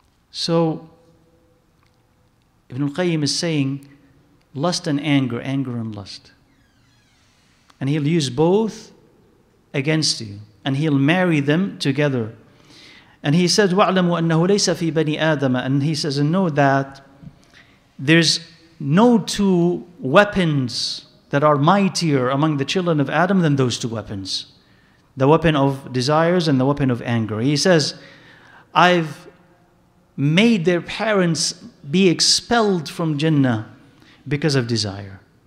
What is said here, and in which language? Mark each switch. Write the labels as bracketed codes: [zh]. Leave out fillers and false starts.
[en] So, Ibn al-Qayyim is saying, lust and anger, anger and lust. And he'll use both against you. And he'll marry them together. And he says, [ar] وَعْلَمُوا أَنَّهُ لَيْسَ فِي بَنِي آدَمَ. [en] And he says, and know that there's no two weapons that are mightier among the children of Adam than those two weapons. The weapon of desires and the weapon of anger. He says, I've made their parents be expelled from Jannah because of desire.